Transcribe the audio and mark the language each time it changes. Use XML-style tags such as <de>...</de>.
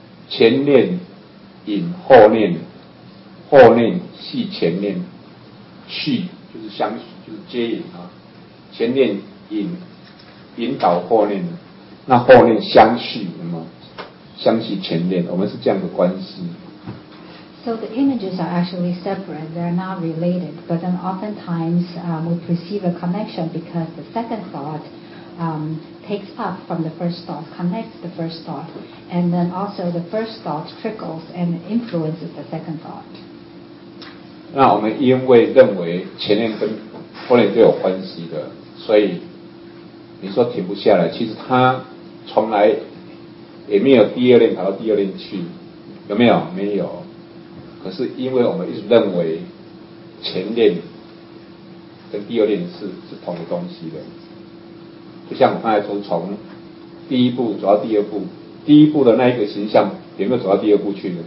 <zh>前念引后念，后念系前念，续就是相就是接引啊，前念引导后念，那后念相续什么？相续前念，我们是这样的关系。</zh> <en>So the images are actually separate, they're not related, but then oftentimes we perceive a connection because the second thought takes up from the first thought, connects the first thought, and then also the first thought trickles and influences the second thought.</en> <zh>那我们因为认为前念跟后念都有关系的，所以你说停不下来，其实它从来也没有第二念跑到第二念去，有没有？没有。可是因为我们一直认为前念跟第二念 是同一个东西的，就像我刚才说，从第一步走到第二步，第一步的那一个形象有没有走到第二步去呢？</zh>